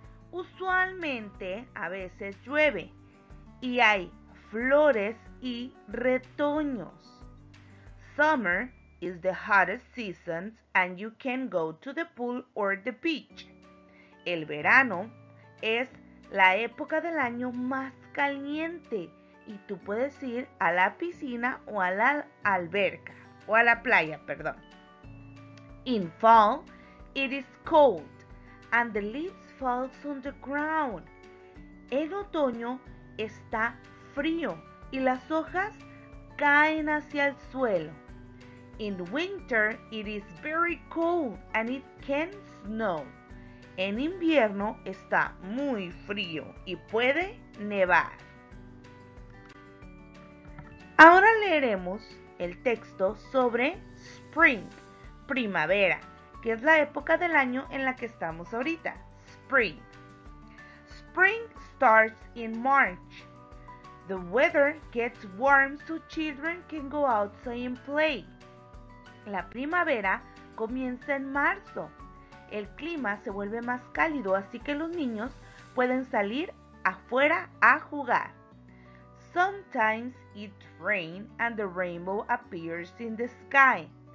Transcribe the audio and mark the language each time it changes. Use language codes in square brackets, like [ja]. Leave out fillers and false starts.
[es] Usualmente a veces llueve y hay flores y retoños. [en] Summer is the hottest season and you can go to the pool or the beach. [es] El verano es la época del año más caliente. Y tú puedes ir a la piscina o a la alberca, o a la playa, perdón. [en] In fall, it is cold and the leaves fall on the ground. [es] En otoño está frío y las hojas caen hacia el suelo. [en] In winter, it is very cold and it can snow. [es] En invierno está muy frío y puede nevar. Ahora leeremos el texto sobre spring, primavera, que es la época del año en la que estamos ahorita, spring. [en] Spring starts in March. The weather gets warm so children can go outside and play. [es] La primavera comienza en marzo. El clima se vuelve más cálido, así que los niños pueden salir afuera a jugar. [en] Sometimes it rains and the rainbow appears in the sky.